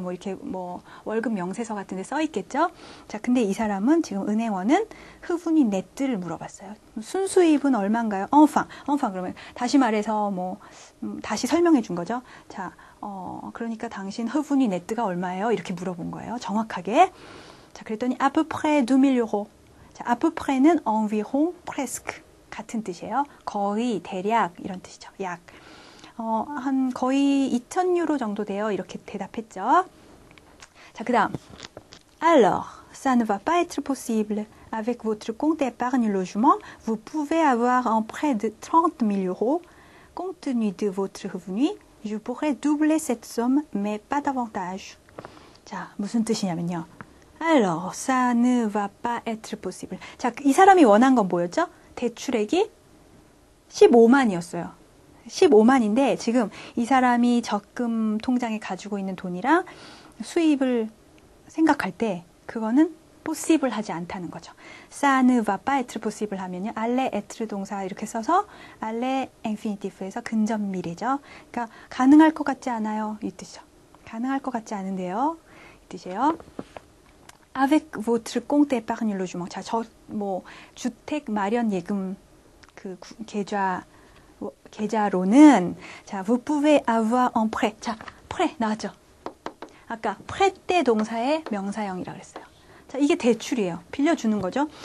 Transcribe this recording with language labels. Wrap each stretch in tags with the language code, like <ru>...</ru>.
<ko>뭐 이렇게 뭐 월급 명세서 같은 데 써 있겠죠. 자, 근데 이 사람은 지금 은행원은 흐분이 네트를 물어봤어요. 순수입은 얼마인가요? Enfin 그러면 다시 말해서 뭐 다시 설명해 준 거죠. 자, 그러니까 당신 흐분이 네트가 얼마예요? 이렇게 물어본 거예요. 정확하게. 자, 그랬더니</ko> <fr>à peu près 2000 euros. 자, à peu près는 environ, presque</fr> <ko>같은 뜻이에요. 거의, 대략 이런 뜻이죠. 약. 한 거의 2000 유로 정도 돼요. 이렇게 대답했죠. 자, 그다음.</ko> <fr>Alors, ça ne va pas être possible avec votre compte épargne logement. Vous pouvez avoir un prêt de 30000 euros. Compte tenu de votre revenu, je pourrais doubler cette somme mais pas davantage.</fr> <ko>자, 무슨 뜻이냐면요.</ko> <fr>Alors, ça ne va pas être possible.</fr> <ko>자, 이 사람이 원한 건 뭐였죠? 대출액이 15만이었어요. 15만인데 지금 이 사람이 적금 통장에 가지고 있는 돈이랑 수입을 생각할 때 그거는 possible 하지 않다는 거죠.</ko> <fr>ça ne va pas être possible</fr> <ko>하면요. aller être 동사 이렇게 써서 aller infinitive에서 근접 미래죠. 그러니까 가능할 것 같지 않아요. 이 뜻이죠. 가능할 것 같지 않은데요. 이 뜻이에요.</ko> <fr>avec votre compte épargne logement.</fr> <ko>자, 저 뭐 주택 마련 예금 그 계좌 계좌로는 자,</ko> <fr>vous pouvez avoir un prêt.</fr> <ko>자, prêt 나왔죠? 아까 prêt 때 동사의 명사형이라고 그랬어요. 자, 이게 대출이에요. 빌려주는 거죠.</ko>